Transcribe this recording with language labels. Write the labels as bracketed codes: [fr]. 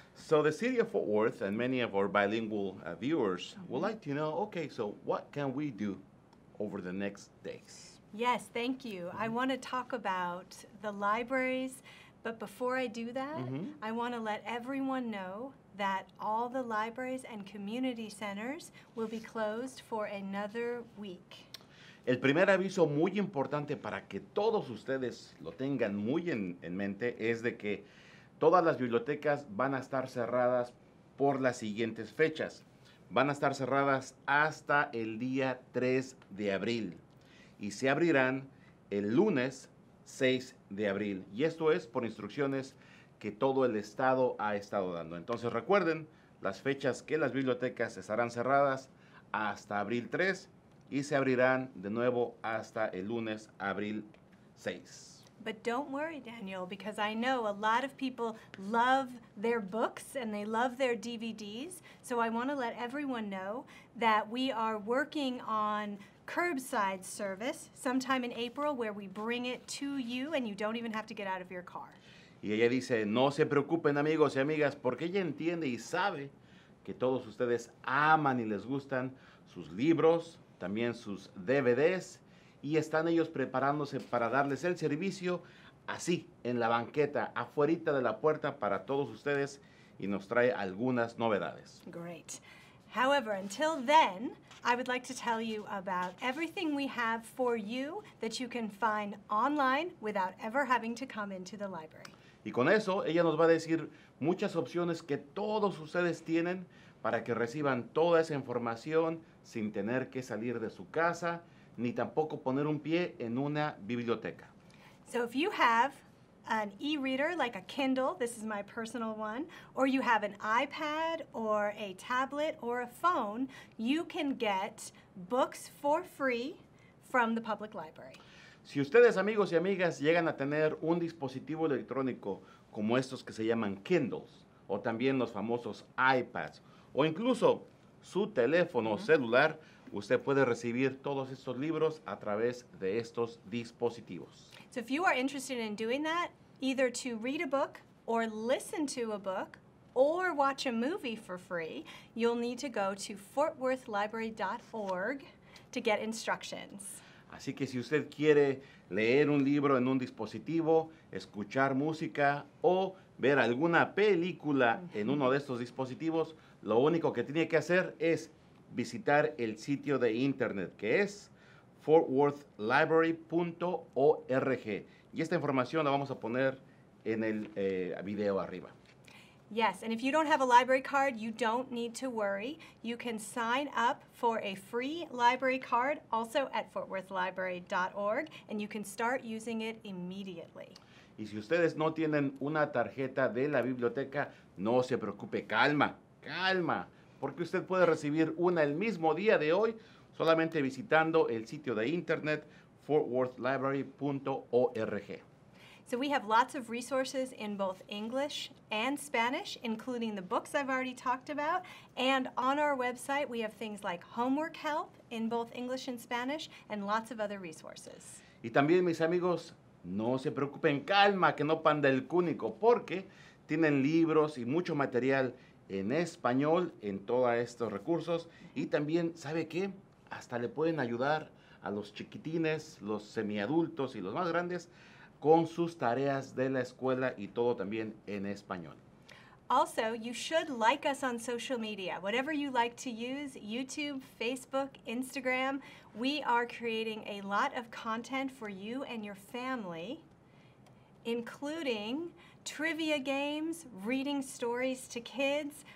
[en] So the city of Fort Worth and many of our bilingual viewers would like to know, okay, so what can we do over the next days? Yes, thank you. Mm-hmm. I want to talk about the libraries, but before I do that, mm-hmm. I want to let everyone know that all the libraries and community centers will be closed for another week. [es] El primer aviso muy importante para que todos ustedes lo tengan muy en mente es de que todas las bibliotecas van a estar cerradas por las siguientes fechas. Van a estar cerradas hasta el día 3 de abril y se abrirán el lunes 6 de abril. Y esto es por instrucciones que todo el estado ha estado dando. Entonces recuerden las fechas que las bibliotecas estarán cerradas hasta abril 3. Y se abrirán de nuevo hasta el lunes, abril 6. [en] But don't worry, Daniel, because I know a lot of people love their books and they love their DVDs. So I want to let everyone know that we are working on curbside service sometime in April where we bring it to you and you don't even have to get out of your car. [es] Y ella dice, no se preocupen, amigos y amigas, porque ella entiende y sabe que todos ustedes aman y les gustan sus libros, también sus DVDs, y están ellos preparándose para darles el servicio así, en la banqueta, afuerita de la puerta para todos ustedes, y nos trae algunas novedades. [en] Great. However, until then, I would like to tell you about everything we have for you that you can find online without ever having to come into the library. [es] Y con eso, ella nos va a decir muchas opciones que todos ustedes tienen para que reciban toda esa información sin tener que salir de su casa ni tampoco poner un pie en una biblioteca. [en] So if you have an e-reader like a Kindle, this is my personal one, or you have an iPad or a tablet or a phone, you can get books for free from the public library. [es] Si ustedes, amigos y amigas, llegan a tener un dispositivo electrónico como estos que se llaman Kindles o también los famosos iPads o incluso su teléfono uh-huh. celular, usted puede recibir todos estos libros a través de estos dispositivos. [en] So if you are interested in doing that, either to read a book or listen to a book or watch a movie for free, you'll need to go to fortworthlibrary.org to get instructions. [es] Así que si usted quiere leer un libro en un dispositivo, escuchar música o ver alguna película uh-huh. en uno de estos dispositivos, lo único que tiene que hacer es visitar el sitio de internet, que es fortworthlibrary.org. Y esta información la vamos a poner en el video arriba. [en] Yes, and if you don't have a library card, you don't need to worry. You can sign up for a free library card also at fortworthlibrary.org, and you can start using it immediately. [es] Y si ustedes no tienen una tarjeta de la biblioteca, no se preocupe, calma. Calma, porque usted puede recibir una el mismo día de hoy solamente visitando el sitio de internet fortworthlibrary.org. [en] So we have lots of resources in both English and Spanish, including the books I've already talked about. And on our website, we have things like homework help in both English and Spanish, and lots of other resources. [es] Y también, mis amigos, no se preocupen, calma, que no panda el cúnico, porque tienen libros y mucho material en español en todos estos recursos. Y también, ¿sabe qué? Hasta le pueden ayudar a los chiquitines, los semiadultos y los más grandes con sus tareas de la escuela y todo también en español. [en] Also, you should like us on social media. Whatever you like to use, YouTube, Facebook, Instagram, we are creating a lot of content for you and your family, including trivia games, reading stories to kids.